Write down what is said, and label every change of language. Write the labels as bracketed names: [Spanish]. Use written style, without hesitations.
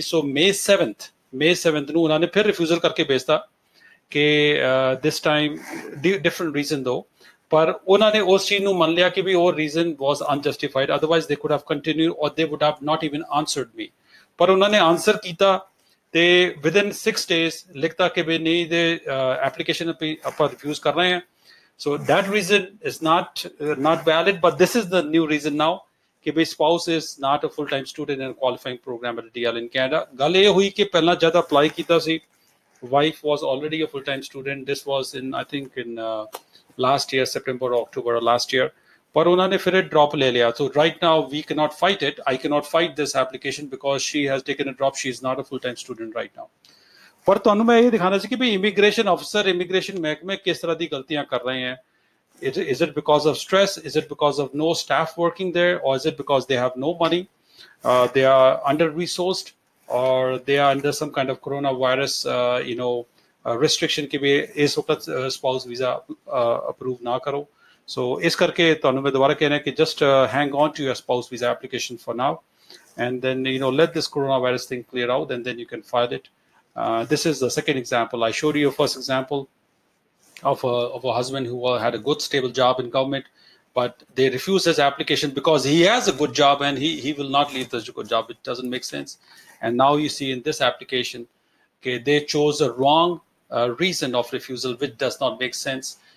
[Punjabi] ਸੋ ਮੇ 7 ਨੂੰ ਉਹਨਾਂ ਨੇ ਫਿਰ ਰਿਫਿਊਜ਼ਲ ਕਰਕੇ ਭੇਜਤਾ ਕਿ [English] this time different reason ਦੋ, [Punjabi] ਪਰ ਉਹਨਾਂ ਨੇ ਉਸ ਚੀਜ਼ ਨੂੰ ਮੰਨ ਲਿਆ ਕਿ ਵੀ ਉਹ [English] Reason was unjustified, otherwise they could have continue or they would have not even answered me. [Punjabi] ਪਰ ਉਹਨਾਂ ਨੇ ਆਨਸਰ ਕੀਤਾ ਅਤੇ [English] within 6 days [Punjabi] ਲਿਖਤਾ ਕਿ ਵੀ ਨਹੀਂ, ਦੇ ਐਪਲੀਕੇਸ਼ਨ ਆਪਾਂ ਰਿਫਿਊਜ਼ ਕਰ ਰਹੇ ਹਾਂ। [English] So that reason is not valid, but this is the new reason now [Punjabi] ki bhai [English] spouse is not a full time student in a qualifying program at DL in Canada. [Punjabi] Gal eh hui ki pehla jada apply kita si [English] wife was already a full time student. This was in I think in last year September or October last year, [Punjabi] par unhone fir [English] it drop le liya. So right now we cannot fight it, I cannot fight this application because she has taken a drop, she is not a full time student right now. [Punjabi] ਪਰ ਤੁਹਾਨੂੰ ਮੈਂ ਇਹ ਦਿਖਾਉਣਾ ਸੀ ਕਿ ਵੀ immigration ਅਫਸਰ, immigration ਮਹਿਕਮੇ ਕਿਸ ਤਰ੍ਹਾਂ ਦੀ ਗਲਤੀਆਂ ਕਰ ਰਹੇ ਹੈ। [English] is it because of stress, is it because of no staff working there, or is it because they have no money, they are under resourced, or they are under some kind of corona virus you know restriction, [Punjabi] ਕਿ ਵੀ ਇਸ ਵਕਤ spouse visa approve ਨਾ ਕਰੋ। ਸੋ ਇਸ ਕਰਕੇ ਤੁਹਾਨੂੰ ਮੈਂ ਦੁਬਾਰਾ ਕਹਿਣਾ ਕਿ [English] Just hang on to your spouse visa application for now, and then you know let this corona virus thing clear out, and then you can file it. This is the second example. I showed you a first example of a husband who had a good stable job in government, but they refused his application because he has a good job and he will not leave this good job. It doesn't make sense. And now you see in this application, okay, they chose a wrong reason of refusal, which does not make sense.